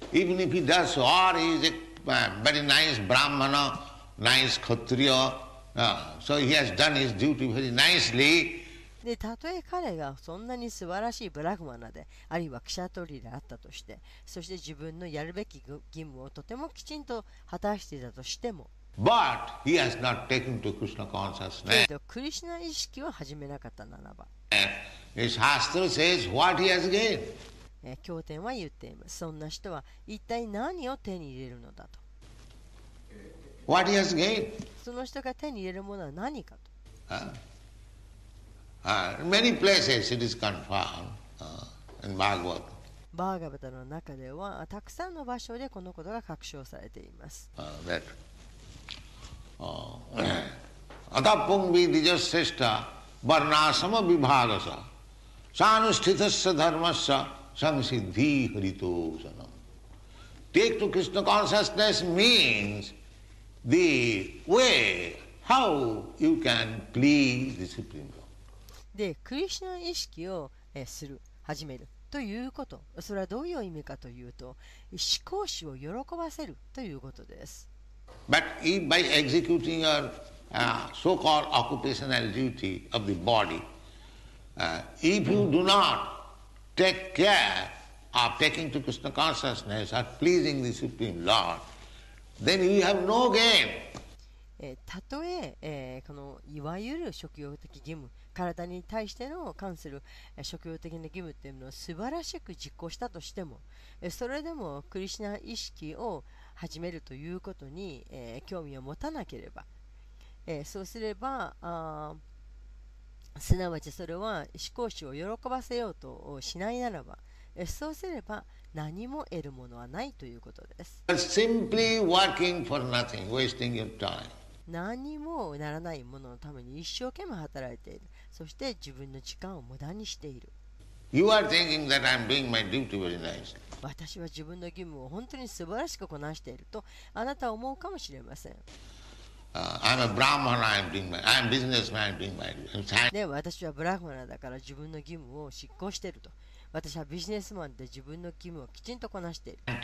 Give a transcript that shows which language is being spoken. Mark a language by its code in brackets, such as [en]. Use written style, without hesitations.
[en] Even if he does all, he is a very nice brahmana, nice kshatriya. So he has done his duty very nicely. [ja] で、たとえ彼がそんなに素晴らしいブラグマナで、あるいはクシャトリであったとして、そして自分のやるべき義務をとてもきちんと果たしていたとしても、 [en] But he has not taken to Krishna consciousness. [ja] けど、クリシナ意識を始めなかったならば、 [en] His shastra says what he has gained. [ja] 経典は言っています。そんな人は一体何を手に入れるのだと。 [en] What he has gained. [ja] その人が手に入れるものは何かと。 [en] Many places it is confirmed in Bhagavad. [ja] バーガヴァタの中ではたくさんの場所でこのことが確証されています。 [en] That. [sa] Atha pungvi dijasthesta. バーナーサマビバーガサ、サンスティタッサダーマッサ、サンシディーハリトーサナム。 [en] Take to Krishna consciousness means the way how you can please the Supreme Lord. [ja] で、クリシナ意識をする、始めるということ、それはどういう意味かというと、思考主を喜ばせるということです。 [en] But if by executing yourso-called occupational duty of the body, if you do not take care of taking to Krishna consciousness or pleasing the Supreme Lord, then you have no gain. [ja] たとえ、このいわゆる職業的義務、体に対しての関する職業的な義務というものを素晴らしく実行したとしても、それでもクリシナ意識を始めるということに、興味を持たなければ、そうすれば、すなわちそれは思考主を喜ばせようとしないならば、そうすれば何も得るものはないということです。 [en] Simply working for nothing, wasting your time. [ja] 何にもならないもののために一生懸命働いている、そして自分の時間を無駄にしている。 [en] You are thinking that I'm doing my duty very nice. [ja] 私は自分の義務を本当に素晴らしくこなしているとあなたは思うかもしれません。 [en] I'm a Brahman, I'm a businessman, I'm doing my duty. [ja] 私はブラフマナだから自分の義務を執行していると。私はビジネスマンで自分の義務をきちんとこなしている。